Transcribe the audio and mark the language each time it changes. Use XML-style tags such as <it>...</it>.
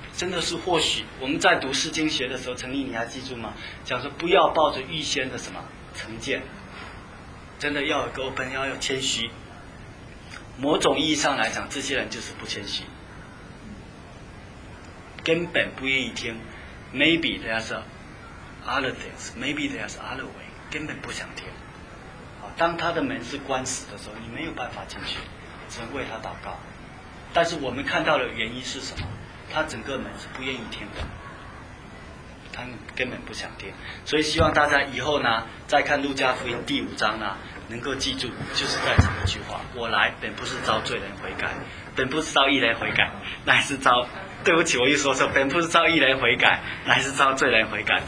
<zh>真的是或许我们在读释经学的时候，陈立你还记住吗？讲说不要抱着预先的什么成见，真的要有个 open， 要谦虚。某种意义上来讲，这些人就是不谦虚，根本不愿意听。</zh> <en>Maybe there's other things, maybe there's other way，</en> <zh>根本不想听。当他的门是关死的时候，你没有办法进去，只能为他祷告。但是我们看到的原因是什么？他整个门是不愿意听的，他根本不想听。所以希望大家以后呢，再看路加福音第五章呢，能够记住，就是在这一句话：我来本不是招罪人悔改，本不是招义人悔改，乃是招……对不起，我一说错，本不是招义人悔改，乃是招罪人悔改。</zh>